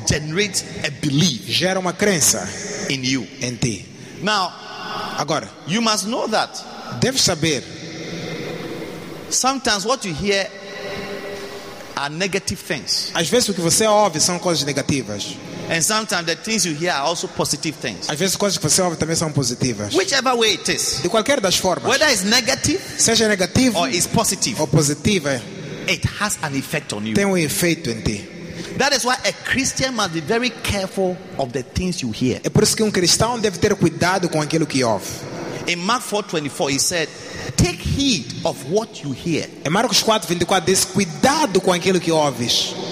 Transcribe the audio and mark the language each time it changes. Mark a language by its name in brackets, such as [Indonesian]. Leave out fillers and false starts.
[English] generates a belief, [Portuguese] gera uma crença, [English] in you, [Portuguese] em ti. [English] Now, [Portuguese] agora, [English] you must know that. [Portuguese] Deve saber. [English] Sometimes what you hear are negative things. [Portuguese] Às vezes o que você ouve são coisas negativas. [English] And sometimes the things you hear are also positive things. [Portuguese] Às vezes coisas que você ouve também são positivas. [English] Whichever way it is. [Portuguese] De qualquer das formas. [English] Whether it's negative, [Portuguese] seja negativo, [English] or it's positive, [Portuguese] ou positiva, [English] it has an effect on you. [Portuguese] Tem um efeito em ti. [English] That is why a Christian must be very careful of the things you hear. [Portuguese] É por isso que cristão deve ter cuidado com aquilo que ouve. [English] In Mark 4:24, he said, "Take heed of what you hear." [Portuguese] Em Marcos 4:24, diz, cuidado com aquilo que ouves.